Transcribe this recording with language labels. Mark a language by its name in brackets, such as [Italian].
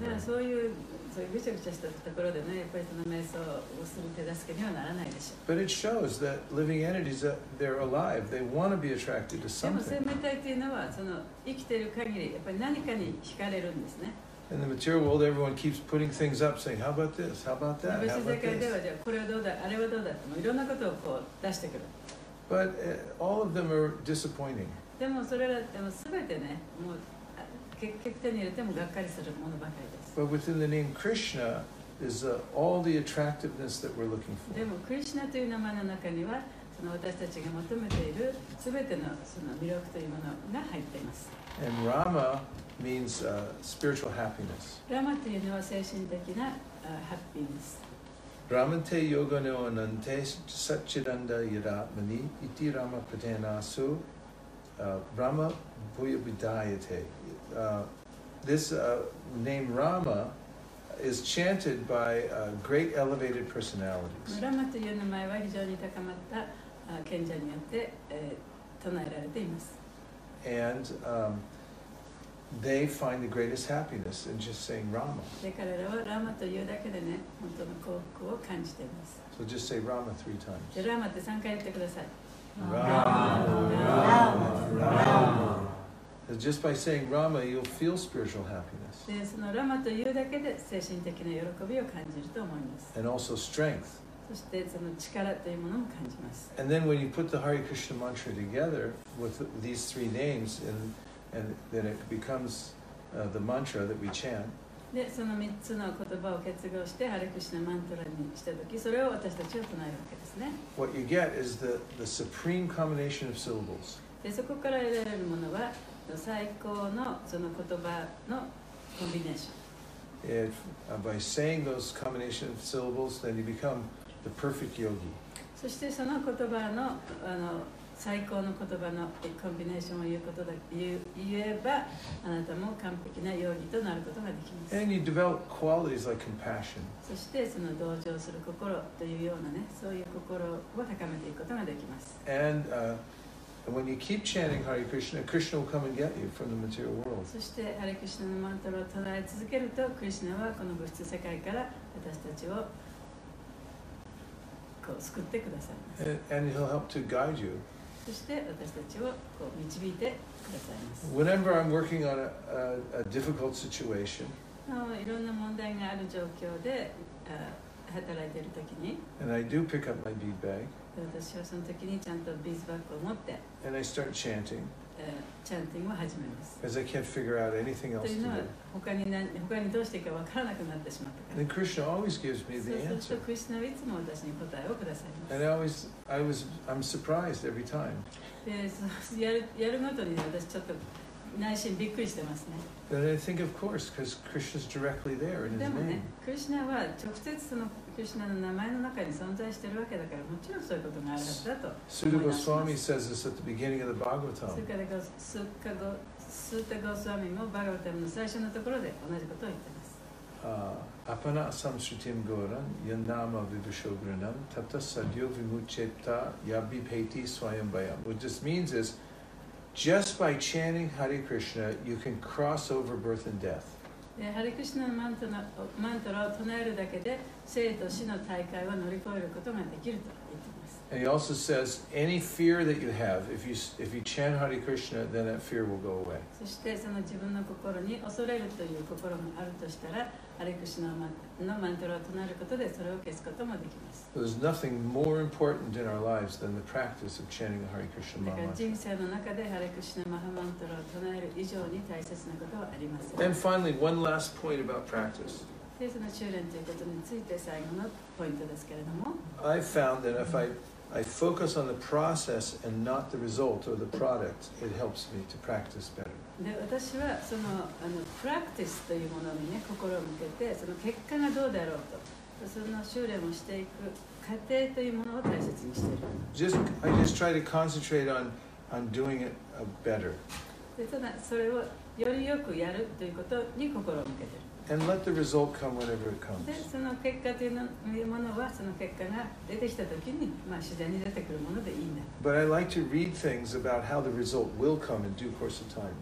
[Japanese] ね、そういうぐちゃぐちゃしたところでね、やっぱりその瞑想をする手助けにはならないでしょう。 [English] But it shows that living entities that they're alive, they want to be attracted to something. [Japanese] でも生命体というのはその生きている限りやっぱり何かに惹かれるんですね。 [English] In the material world, everyone keeps putting things up, saying, "How about this? How about that? How about this?" [Japanese] 物質世界ではじゃあこれはどうだ、あれはどうだ、もういろんなことをこう出してくる。 [English] But all of them are disappointing. [Japanese] でもそれらでもすべてね、もう結局手に入れてもがっかりするものばかりです。 [English] But within the name Krishna is all the attractiveness that we're looking for. [Japanese] でもクリシナという名前の中には、その私たちが求めているすべてのその魅力というものが入っています。 [English] And Rama means spiritual happiness. [Japanese] ラマというのは精神的なハッピーネス。 [Sanskrit] Ramate yogane anante sacchidanda yadatmani iti rama patenasu brahma bhuyabhidayate [English] this name Rama is chanted by great elevated personalities [Japanese] Rama という名前は非常に高まった賢者によって、唱えられています。 [English] And, they find the greatest happiness in just saying Rama. [Japanese] で、彼らはラマというだけでね、本当の幸福を感じています。 [English] So just say Rama three times. [Japanese] で、ラマって3回言ってください。 [English] Rama, Rama, Just by saying Rama, you'll feel spiritual happiness. [Japanese] で、そのラマというだけで精神的な喜びを感じると思います。 [English] And also strength. [Japanese] そしてその力というものも感じます。 [English] And then when you put the Hare Krishna mantra together with these three names, and then it becomes the mantra that we chant. [Japanese] で、その3つの言葉を結合してハレクリシュナマントラにしたとき、それを私たちは唱えるわけですね。 [English] What you get is the supreme combination of syllables. [Japanese] で、そこから得られるものは、最高のその言葉のコンビネーション。 [English] If, by saying those combination of syllables, then you become the perfect yogi. [Japanese] そしてその言葉の、最高の言葉のコンビネーションを言うことだ言えば、あなたも完璧な容疑となることができます。 [English] And you develop qualities like compassion. [Japanese] そしてその同情する心というようなね、そういう心を高めていくことができます。 [English] And, when you keep chanting Hare Krishna, Krishna will come and get you from the material world. [Japanese] そしてハリクリシュナのマントラを唱え続けると、クリシュナはこの物質世界から私たちをこう救ってくださいます。 [English] And he'll help to guide you. [Japanese] そして私たちをこう導いてくださいます。 [English] Whenever I'm working on a difficult situation, [Japanese] いろんな問題がある状況で働いているときに、 [English] and I do pick up my bead bag, [Japanese] 私はそのときにちゃんとビーズバッグを持って、 [English] and I start chanting, [Japanese] chanting を始めます。 [English] Because I can't figure out anything else to do. [Japanese] というのは他にどうしていいかわからなくなってしまったから。 [English] And Krishna always gives me the answer. [Japanese] そうするとクリシュナはいつも私に答えをくださいます。 [English] And I'm surprised every time. [Japanese] やるごとに私ちょっと内心びっくりしてますね。 [English] But I think of course, because Krishna's directly there in his name. [Japanese] でもね、クリシュナは直接そのクリシュナの名前の中に存在しているわけだから、もちろんそういうことがあるはずだと思います。 [English] Sutta Goswami says this at the beginning of the Bhagavatam. [Japanese] それからSutta Goswami もバガヴァタムの最初のところで同じことを言ってます。 [Sanskrit] Apana samsrutim goran yannama vibhishogranam tata sadyo vimuchepta yabhipeti swayambayam. [English] What this means is, just by chanting Hare Krishna, you can cross over birth and death. [Japanese] Hare Krishna mantra を唱えるだけで生と死の大会を乗り越えることができると言ってます。 [English] And he also says, any fear that you have, if you chant Hare Krishna, then that fear will go away. [Japanese] そしてその自分の心に恐れるという心があるとしたら、ハレクシナのマントラを唱えることでそれを消すこともできます。 [English] There's nothing more important in our lives than the practice of chanting the Hare Krishna mantra. [Japanese] だから人生の中でハレクシナマハマントラを唱える以上に大切なことはありません。 [English] And finally, one last point about practice. [Japanese] で、その修練ということについて最後のポイントですけれども。 [English] I found that if I focus on the process and not the result or the product, it helps me to practice better. [Japanese] で、私はその、プラクティスというものにね、心を向けて、その結果がどうであろうと、その修練をしていく過程というものを大切にしている。 [English] I just try to concentrate on doing it better. [Japanese] で、ただそれをよりよくやるということに心を向けている。 [English] And let the result come whenever it comes. [Japanese] で、その結果というものは、その結果が出てきたときに、まあ、自然に出てくるものでいいんだ。 [English] But I like to read things about how the result will come in due course of time.